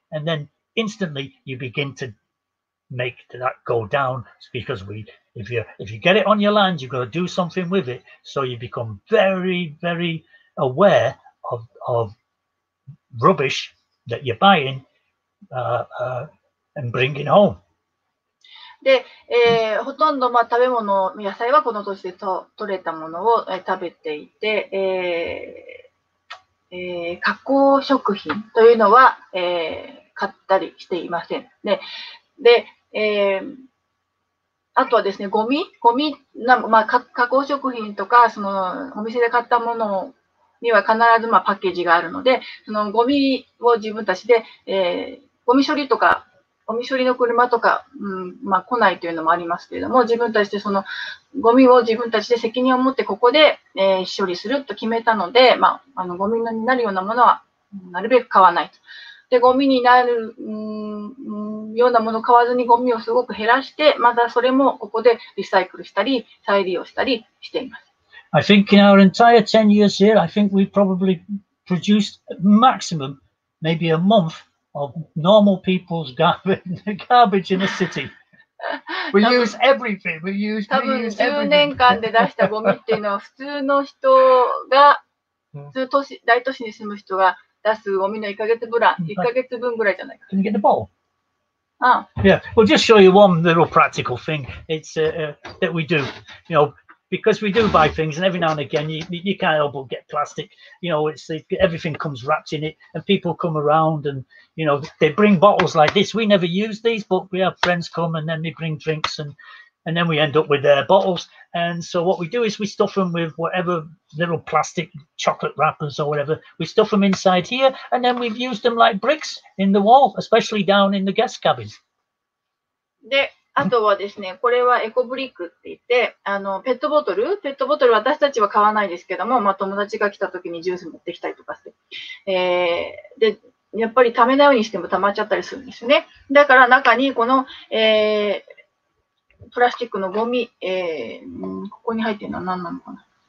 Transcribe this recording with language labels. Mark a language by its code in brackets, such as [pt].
[en] And then instantly you begin to make that go down. Because if you get it on your land, you've got to do something with it. So you become very, very aware of rubbish that you're buying and bringing home. [ja] で、ほとんど、まあ、食べ物、野菜はこの年で取れたものを、食べていて、加工食品というのは、買ったりしていません。で、あとはですね、ゴミ、まあ、加工食品とか、そのお店で買ったものには必ず、まあ、パッケージがあるので、そのゴミを自分たちで、ゴミ処理とか、ゴミ処理の車とか、うん、まあ、来ないというのもありますけれども、自分たちでそのゴミを自分たちで責任を持ってここで、処理すると決めたので、まあ、あのゴミになるようなものはなるべく買わないと。で、ゴミになる、ようなものを買わずにゴミをすごく減らして、またそれもここでリサイクルしたり、再利用したりしています。 [en] I think in our entire 10 years here, I think we probably produced maximum, maybe a month,of normal people's garbage in the city. We use everything. We use everything. Can you get the bottle? Yeah, we'll just show you one little practical thing. It's that we do, you know, because we do buy things, and every now and again, you can't help but get plastic. You know, everything comes wrapped in it, and people come around andYou know, they bring bottles like this. We never use these, but we have friends come and then they bring drinks and then we end up with their bottles. And so what we do is we stuff them with whatever little plastic chocolate wrappers or whatever. We stuff them inside here and then we've used them like bricks in the wall, especially down in the guest cabins. [ja] であとはですね、これはエコブリックって言って、あのペットボトル、ペットボトル私たちは買わないですけども、まあ友達が来た時にジュース持ってきたりとかして、で。やっぱり溜めないようにしても溜まっちゃったりするんですよね。だから中にこの、プラスチックのゴミ、ここに入っているのは何なのかな。